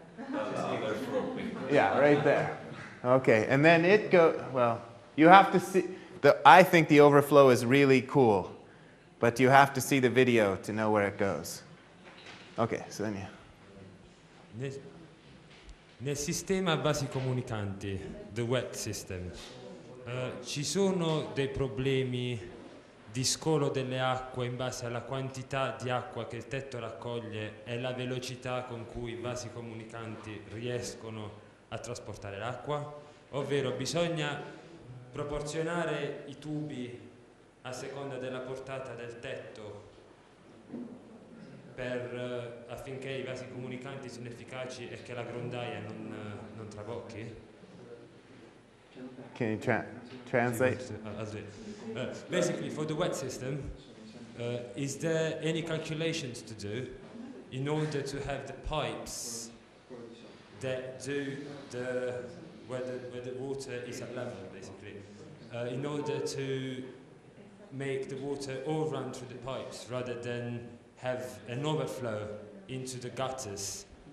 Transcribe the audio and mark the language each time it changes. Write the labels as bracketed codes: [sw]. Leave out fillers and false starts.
[en] Yeah, right there. Okay, and then it goes, well, you have to see, I think the overflow is really cool, but you have to see the video to know where it goes. Okay, so then yeah. [it] Nel sistema a vasi comunicanti, [en] the wet system, [it] ci sono dei problemi di scolo delle acque in base alla quantità di acqua che il tetto raccoglie e la velocità con cui i vasi comunicanti riescono a trasportare l'acqua? Ovvero bisogna proporzionare i tubi a seconda della portata del tetto per affinché i vasi comunicanti siano efficaci e che la grondaia non trabocchi. [en] Can you translate? Basically, for the wet system, is there any calculations to do in order to have the pipes that do the where the water is at level, basically, in order to make the water all run through the pipes rather than have an overflow into the gutters.